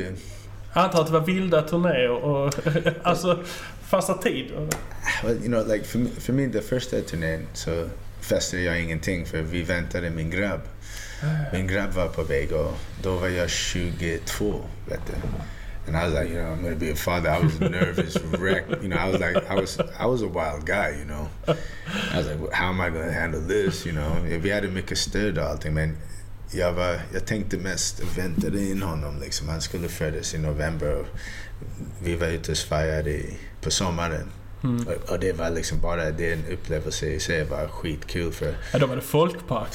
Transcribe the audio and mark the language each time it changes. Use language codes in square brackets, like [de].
[sv] Jag antar att det var vilda turnéer och alltså fasta tid. [en] Well, you know, like for me, the first [sv] turnén så festade jag ingenting, för vi väntade min grabb. Min grabb var på väg och då var jag 22, vet du. [en] And I was like, you know, I'm gonna be a father. I was nervous, wrecked. You know, I was like, I was a wild guy, you know. I was like, how am I gonna handle this, you know? [sv] Vi hade mycket stöd och allting, men jag tänkte mest vänta in honom liksom. Han skulle födas i november. Vi var ute och svajade på sommaren. Och det var liksom bara den upplevelse i sig var skitkul. För ja, då var det folkpark.